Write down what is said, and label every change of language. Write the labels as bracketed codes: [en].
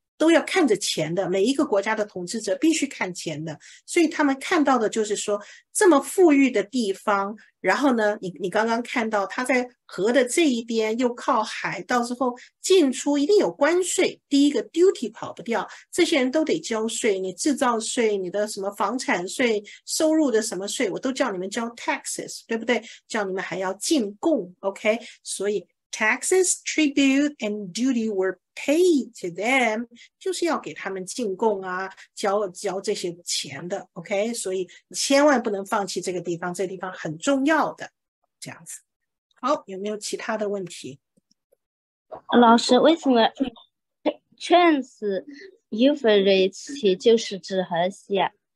[zh] 都要看着钱的，每一个国家的统治者必须看钱的，所以他们看到的就是说这么富裕的地方，然后呢 你刚刚看到他在河的这一边又靠海，到时候进出一定有关税，第一个 duty 跑不掉，这些人都得交税，你制造税，你的什么房产税，收入的什么税，我都叫你们交 taxes， 对不对，叫你们还要进贡。 [en] OK， 所以Taxes, tribute, and duty were paid to them. [zh] 就是要给他们进贡啊，交这些钱的。 OK， 所以千万不能放弃这个地方，这个地方很重要的。这样子，好，有没有其他的问题？老师，为什么 Trans-Euphrates 就是指河西啊？